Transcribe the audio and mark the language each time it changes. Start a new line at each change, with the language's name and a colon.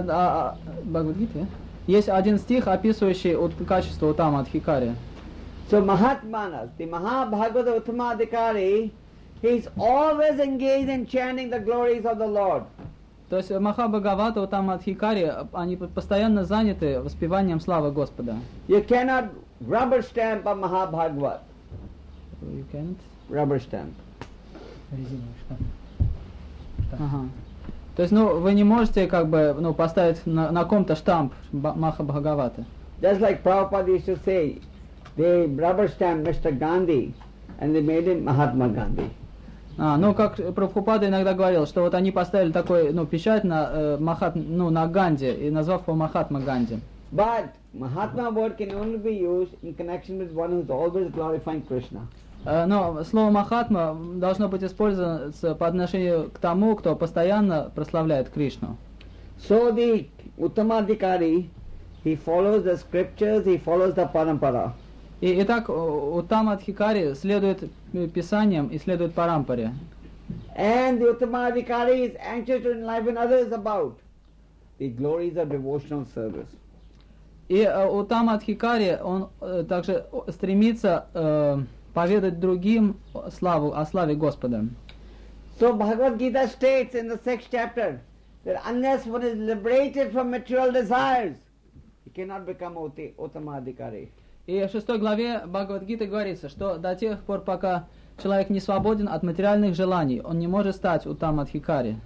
Russian: В Бхагавад-гите есть один стих, описывающий качество Уттамадхикари.
English: So Mahatmanas, the Mahabhagavata Uttamadhikari, he's always engaged in chanting the glories of the Lord.
Russian: То есть Махабхагавата, Уттамадхикари, они постоянно заняты воспеванием славы Господа.
English: You cannot rubber stamp a Mahabhagavat. You can't? Rubber stamp.
Russian: Ага. То есть, вы не можете поставить на ком-то штамп Махабхагавата.
English: Just like Prabhupada used to say, they rubber stamped Mr. Gandhi and they made him Mahatma Gandhi.
Russian: Как Прабхупада иногда говорил, что вот они поставили такой печать на Ганди и назвав его Махатма Ганди.
English: But Mahatma word can only be used in connection with one who is always glorifying Krishna.
Russian: Но слово Махатма должно быть использовано по отношению к тому, кто постоянно прославляет Кришну.
English: So the Uttamadhikari, he follows the scriptures, he follows the parampara.
Russian: Итак, Уттамадхикари следует писаниям и следует парампаре.
English: And the Uttamadhikari is anxious to enlighten others about the glories of devotional service.
Russian: И Уттамадхикари, он также стремится поведать другим славу, о славе Господа.
English: So Bhagavad Gita states in the 6th chapter that unless one is liberated from material desires, he cannot become Uttamadhikari.
Russian: И в 6 главе Бхагавад-гиты говорится, что до тех пор, пока человек не свободен от материальных желаний, он не может стать Уттамадхикари.